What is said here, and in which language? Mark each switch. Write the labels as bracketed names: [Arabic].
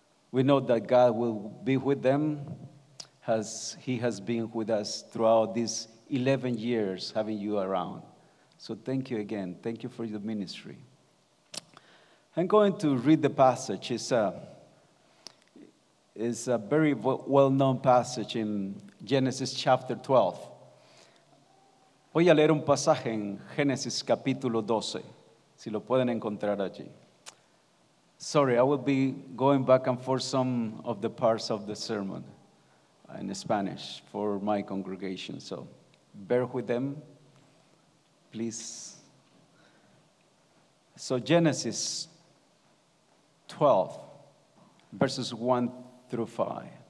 [English] We know that God will be with them as he has been with us throughout these 11 years having you around. So thank you again. Thank you for your ministry. I'm going to read the passage. It's a very well-known passage in Genesis chapter 12. [Spanish] Voy a leer un pasaje en Génesis capítulo 12, si lo pueden encontrar allí. [English] Sorry, I will be going back and forth some of the parts of the sermon in Spanish for my congregation, so bear with them, please. So Genesis 12, verses 1 through 5.